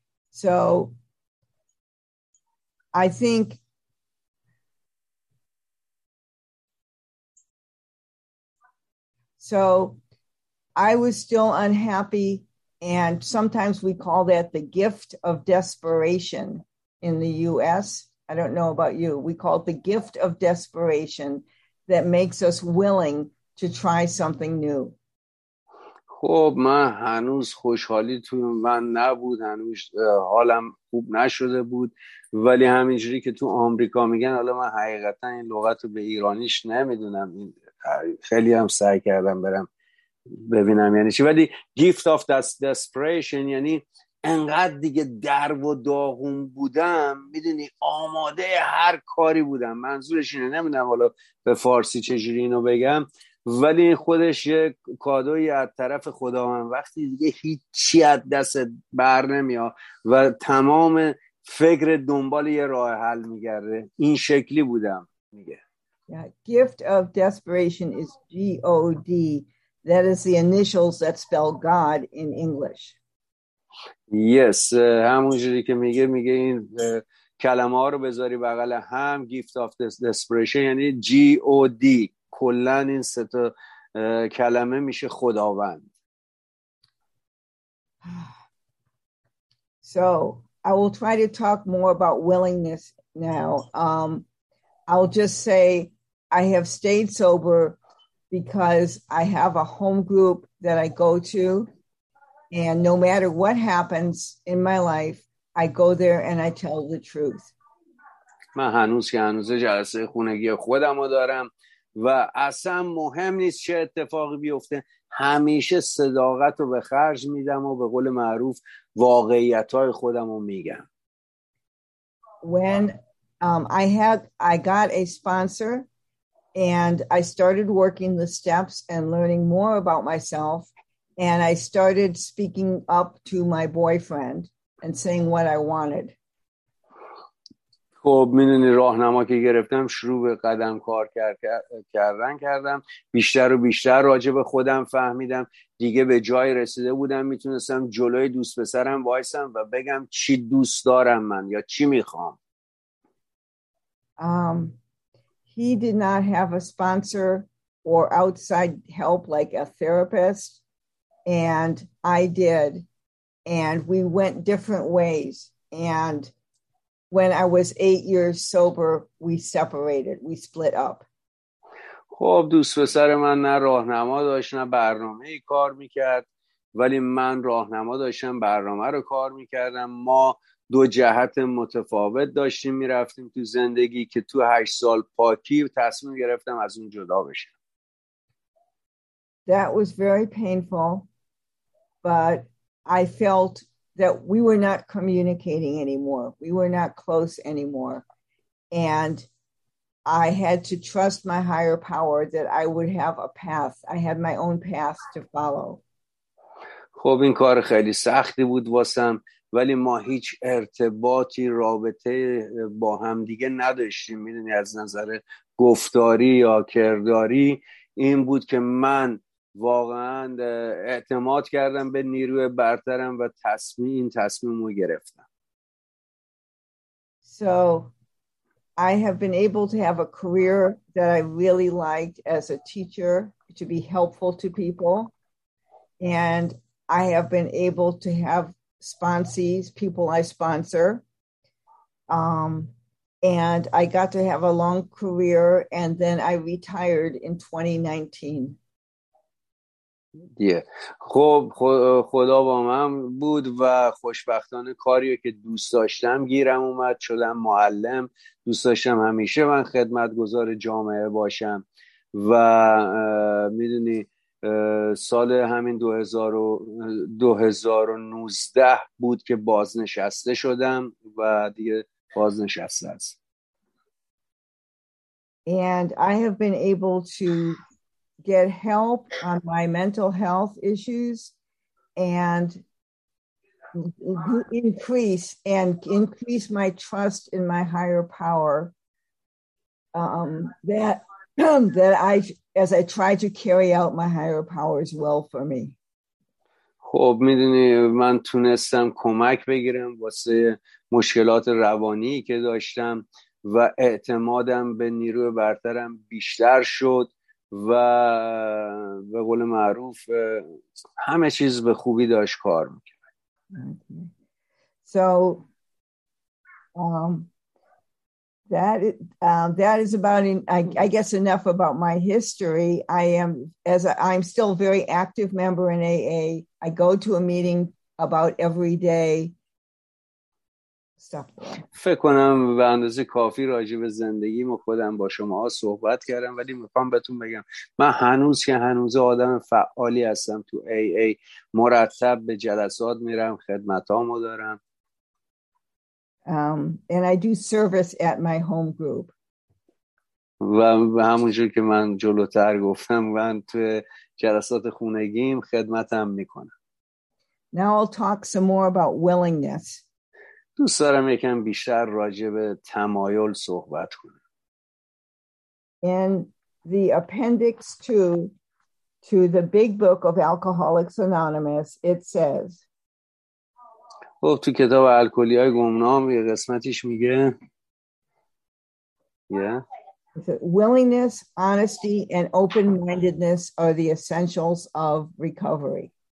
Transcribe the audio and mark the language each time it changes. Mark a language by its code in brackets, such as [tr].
[en] So I think so I was still unhappy, and sometimes we call that the gift of desperation in the US. I don't know about you. We call it the gift of desperation that makes us willing to try something new. [fa] خب من هنوز خوشحالی تو من نبود، هنوز حالم خوب نشده بود، ولی همینجوری که تو آمریکا میگن، حالا من حقیقتا این لغت رو به ایرانیش نمیدونم، خیلی هم سعی کردم برم ببینم یعنی چی، ولی [en] gift of desperation [fa] یعنی انقدر دیگه درو و داغون بودم، میدونی، آماده هر کاری بودم. منظورش اینه، نمیدونم حالا به فارسی چجوری اینو بگم، ولی خودش یه کادوی از طرف خدا من، وقتی دیگه هیچی از دست بر نمیاد و تمام فکر دنبال یه راه حل میگرده، این شکلی بودم میگه. [en] Yeah, gift of desperation is G-O-D. That is the initials that spell God in English. Yes, [fa] همونجوری که میگه، میگه این کلمه ها رو بذاری بغل هم، [en] gift of desperation [fa] یعنی G-O-D. کلن این سه تا کلمه میشه خداوند. [en] So I will try to talk more about willingness now. I'll just say I have stayed sober because I have a home group that I go to, and no matter what happens in my life, I go there and I tell the truth. [fa] من هنوز که هنوز جلسه خونگی خودم رو دارم و اصلا مهم نیست چه اتفاقی بیفته، همیشه صداقت رو به خرج میدم و به قول معروف واقعیت‌های خودم رو میگم. [en] When I got a sponsor and I started working the steps and learning more about myself, and I started speaking up to my boyfriend and saying what I wanted. [fa] خب میدونی راهنما که گرفتم، شروع به قدم کار کردم، بیشتر و بیشتر راجع به خودم فهمیدم، دیگه به جای رسیده بودم میتونستم جلوی دوست پسرم وایسم و بگم چی دوست دارم من یا چی میخوام. [en] He did not have a sponsor or outside help like a therapist, and I did, and we went different ways, and when I was 8 years sober, we separated. We split up. [fa] خب دوست پسر من نه راهنما داشت نه برنامه کار میکرد، ولی من راهنما داشتم، برنامه رو کار میکردم. ما دو جهت متفاوت داشتیم میرفتیم تو زندگی که تو 8 سال پاکی تصمیم گرفتم از اون جدا بشم. [en] That was very painful, but I felt that we were not communicating anymore. We were not close anymore. And I had to trust my higher power that I would have a path. I had my own path to follow. [fa] خب این کار خیلی سختی بود واسم، ولی ما هیچ ارتباطی، رابطه با هم دیگه نداشتیم. میدونی از نظر گفتاری یا کرداری این بود که من واقعا اعتماد کردم به نیروی برترم و این تصمیم رو گرفتم. [en] So I have been able to have a career that I really liked as a teacher, to be helpful to people, and I have been able to have sponsees, people I sponsor, and I got to have a long career, and then I retired in 2019. دیه. [fa] خب خدا با من بود و خوشبختانه کاریو که دوست داشتم گیرم اومد، شدم معلم. دوست داشتم همیشه من خدمتگزار جامعه باشم و میدونی سال همین 2019 بود که بازنشسته شدم و دیگه بازنشسته است. [en] And I have been able to get help on my mental health issues and increase my trust in my higher power, that I, as I try to carry out my higher power's will for me. [fa] خب میدونی من تونستم کمک بگیرم واسه مشکلات روانی که داشتم و اعتمادم به نیروی برترم بیشتر شد و به قول معروف همه چیز به خوبی داشت کار میکرد. [en] So that is about I guess enough about my history. I'm still a very active member in AA. I go to a meeting about every day. [fa] فکر کنم به اندازه کافی راجع به زندگیم و خودم با شما صحبت کردم، ولی میخوام بهتون بگم من هنوز که هنوز آدم فعالی هستم تو AA، مرتب به جلسات میرم، خدمتامو دارم. [en] And I do service at my home group. [fa] و همونجور که من جلوتر گفتم من تو جلسات خونگیم خدمتم میکنم. [en] Now I'll talk some more about willingness. [fa] دوست دارم یکم بیشتر راجع به تمایل صحبت کنم. [en] In the appendix 2 to the big book of Alcoholics Anonymous, it says, [fa] خب تو کتاب الکلی های گمنام یه قسمتیش میگه [en] willingness, honesty and open-mindedness are the essentials of recovery.